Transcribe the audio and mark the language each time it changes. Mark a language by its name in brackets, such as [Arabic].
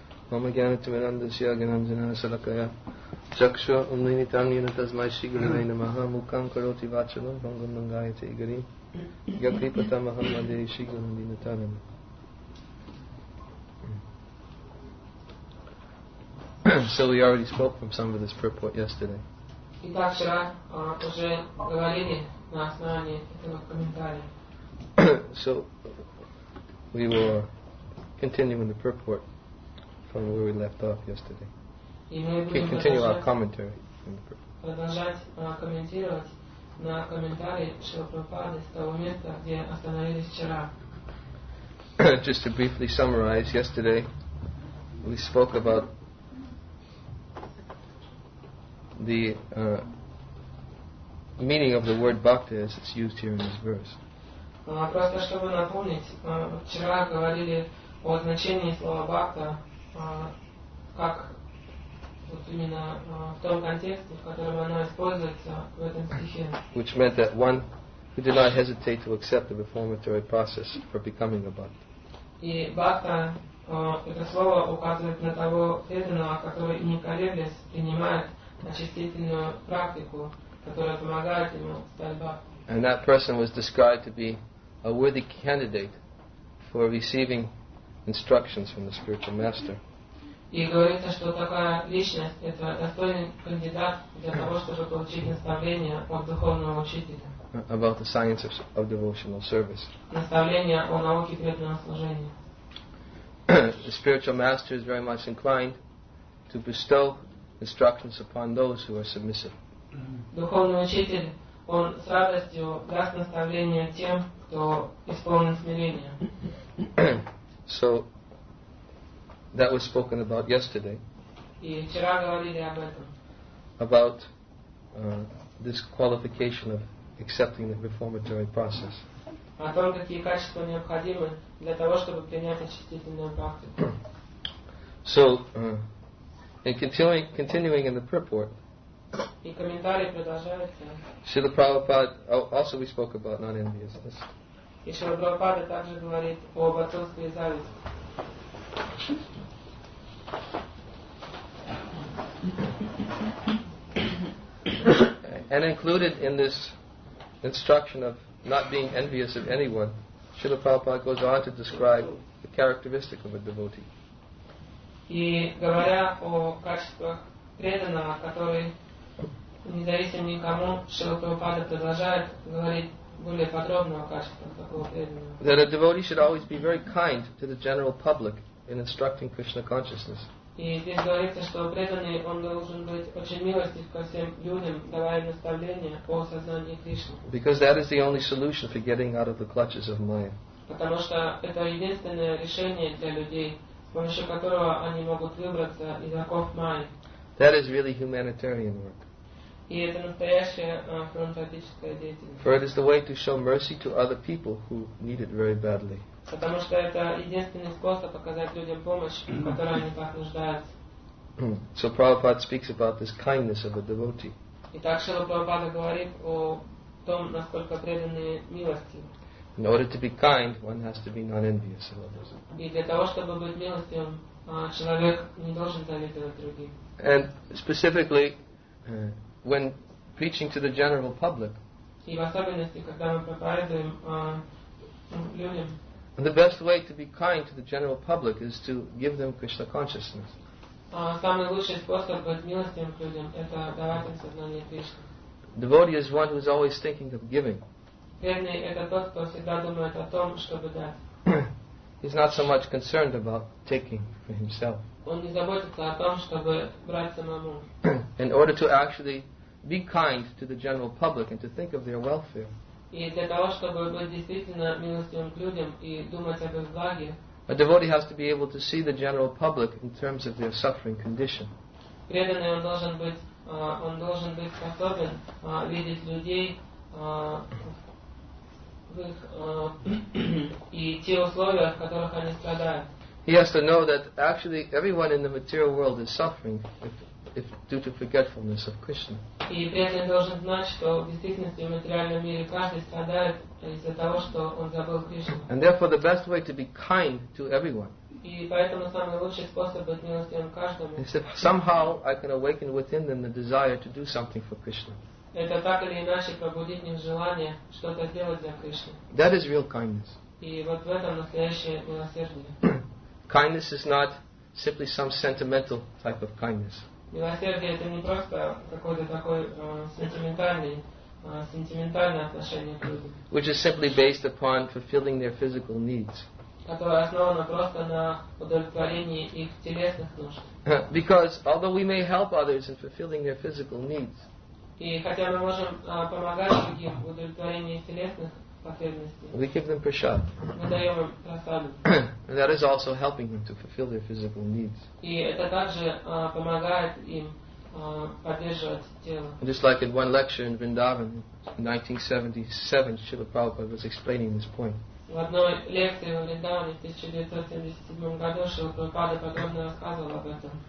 [Sanskrit] Мама Гьяна Тимиранда Шри Агананджана Шалакая Чакшва Умнинитан Йенатазмай Шри Гуравей Намаха Мукам Кароти Вачалам Бхангам Нангайте Игари Гакрипата Махамадеи Шри Гуравей Натанам. [English] So we already spoke from some of this purport yesterday. [Russian] Итак, вчера уже говорили на основании этого комментария. [English] So, we were continuing the purport from where we left off yesterday. [Russian] И мы будем продолжать комментировать на комментарии Шрила Прабхупады с того места, где остановились вчера. [English] Just to briefly summarize, yesterday we spoke about the meaning of the word bhakti as it's used here in this verse. [Russian] Просто чтобы напомнить, вчера говорили о значении слова бхакта, как вот именно в том контексте, в котором она используется в этом стихе. [English] Which meant that one who did not hesitate to accept the reformatory process for becoming a bhakta. [Russian] И бхакта, это слово указывает на того преданного, который не колеблясь принимает очистительную практику, которая помогает ему стать бхактой. [English] And that person was described to be a worthy candidate for receiving instructions from the spiritual master. [Russian] И говорится, что такая личность – это достойный кандидат для того, чтобы получить наставление от духовного учителя. [English] About the science of devotional service. [Russian] Наставление о науке преданного служения. [English] The spiritual master is very much inclined to bestow instructions upon those who are submissive. [Russian] Духовный учитель, он с радостью даст наставление тем, кто исполнен смирения. [English] So, that was spoken about yesterday. [Russian] И вчера говорили об этом. [English] About this qualification of accepting the reformatory process. [Russian] О том, какие качества необходимы для того, чтобы принять очистительную практику. [English] So, and continuing in the purport, [Russian] и комментарий продолжается. [English] Шрила Прабхупада, also we spoke about non-enviousness. [Russian] И Шрила Прабхупада также говорит об отсутствии зависти. [English] And included in this instruction of not being envious of anyone, Srila Prabhupada goes on to describe the characteristic of a devotee. [Russian] И говоря о качествах преданного, который независим никому, Шрила Прабхупада продолжает говорить более подробно о качествах такого преданного. [English] That a devotee should always be very kind to the general public in instructing Krishna consciousness. [Russian] И здесь говорится, что преданный, он должен быть очень милостив ко всем людям, давая наставления по сознанию Кришны. [English] Because that is the only solution for getting out of the clutches of Maya. [Russian] Потому что это единственное решение для людей, с помощью которого они могут выбраться из оков Майи. [English] That is really humanitarian work. [Russian] И это настоящая филантропическая деятельность. [English] For it is the way to show mercy to other people who need it very badly. [Russian] Потому что это единственный способ показать людям помощь, в которой они так нуждаются. [English] So Prabhupada speaks about this kindness of a devotee. [Russian] Итак, Шрила Прабхупада говорит о том, насколько преданные милости. [English] In order to be kind, one has to be non-envious of others. [Russian] И для того, чтобы быть милостивым, человек не должен завидовать другим. [English] And specifically, when preaching to the general public. [Russian] И в особенности, когда мы проповедуем людям. [English] And the best way to be kind to the general public is to give them Krishna consciousness. [Russian] Самый лучший способ быть милостивым к людям – это давать им сознание Кришны. [English] Devotee is one who is always thinking of giving. [Russian] Преданный – это тот, кто всегда думает о том, чтобы дать. [English] He's not so much concerned about taking for himself. [Russian] Он не заботится о том, чтобы брать самому. [English] In order to actually be kind to the general public and to think of their welfare, [Russian] и для того, чтобы быть действительно милостивым к людям и думать об их благе, [English] a devotee has to be able to see the general public in terms of their suffering condition. [Russian] Преданный, он должен быть способен видеть людей в их и те условия, в которых они страдают. [English] He has to know that actually everyone in the material world is suffering if due to forgetfulness of Krishna. [Russian] И преданный должен знать, что в действительности в материальном мире каждый страдает из-за того, что он забыл Кришну. [English] And therefore the best way to be kind to everyone. [Russian] И поэтому самый лучший способ быть милостивым каждому. [English] Is that somehow I can awaken within them the desire to do something for Krishna. [Russian] Это так или иначе пробудить в них желание что-то сделать для Кришны. [English] That is real kindness. [Russian] И вот в этом настоящее милосердие. [English] Kindness is not simply some sentimental type of kindness. [Russian] Милосердие – это не просто какое-то такое сентиментальное отношение к людям. [English] Which is simply based upon fulfilling their physical needs. [Russian] Которое основано просто на удовлетворении их телесных нужд. [English] Because although we may help others in fulfilling their physical needs, [Russian] и хотя мы можем помогать другим в удовлетворении их телесных потребностей, [English] we give them prasad. [Russian] Мы даем им прасаду. [English] And that is also helping them to fulfill their physical needs. [Russian] И это также помогает им поддерживать тело. [English] Just like in one lecture in Vrindavan in 1977, Srila Prabhupada was explaining this point. [Russian] В одной лекции в Вриндаване в 1977 году Шрила Прабхупада подробно рассказывал об этом.